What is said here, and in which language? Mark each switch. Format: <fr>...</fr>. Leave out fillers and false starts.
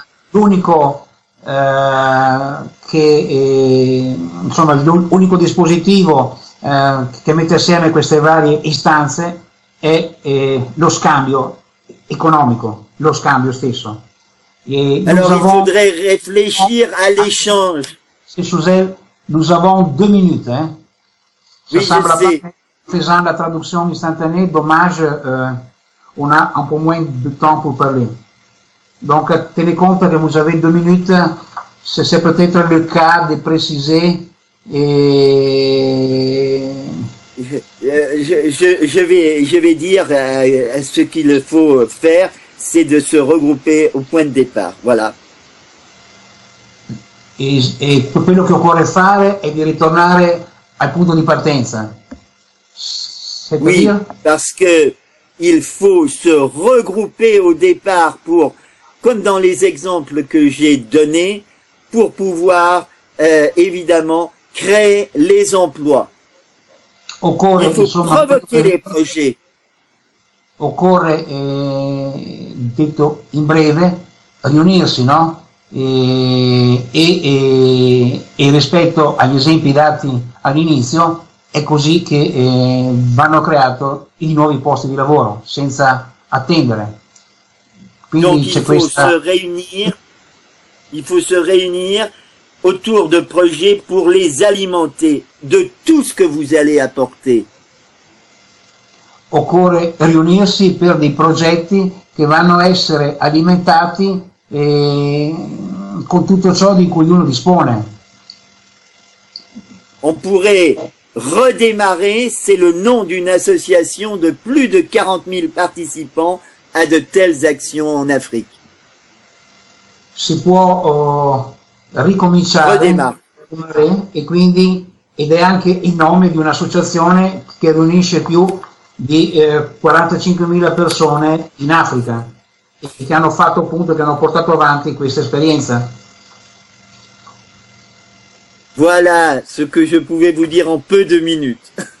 <it>L'unico dispositivo che mette assieme queste varie istanze è lo scambio economico, lo scambio stesso.</it> <fr>Faudrait réfléchir à l'échange. Suzelle, nous avons deux minutes. Hein. Oui, je sais. Faisant la traduction instantanée, dommage, on a un peu moins de temps pour parler. Donc, tenez compte que vous avez deux minutes. C'est peut-être le cas de préciser. Je vais dire à ce qu'il faut faire, c'est de se regrouper au point de départ. Voilà.</fr> <it>Et quello che occorre fare è di ritornare al punto di partenza.</it> <fr>Oui, parce que il faut se regrouper au départ pour, comme dans les exemples que j'ai donnés, pour pouvoir évidemment créer les emplois.</fr> <it>Occorre,</it> <fr>il faut insomma, provoquer les projets.</fr> <it>Occorre, detto in breve, riunirsi, no? E rispetto agli esempi dati all'inizio, è così che vanno creati i nuovi posti di lavoro, senza attendere. Quindi donc, c'è questa...</it> <fr>il faut se réunir autour de projets pour les alimenter de tout ce que vous allez apporter.</fr> <it>Occorre riunirsi per dei progetti che vanno a essere alimentati con tutto ciò di cui uno dispone.</it> <fr>On pourrait redémarrer, c'est le nom d'une association de plus de 40 000 participants à de telles actions en Afrique.</fr> <it>Si può ricominciare,</it> <fr>redémarrer,</fr> <it>e quindi, ed è anche il nome di un'associazione che riunisce più di 45.000 persone in Africa che hanno fatto appunto, che hanno portato avanti questa esperienza.</it> <fr>Voilà ce que je pouvais vous dire en peu de minutes.</fr>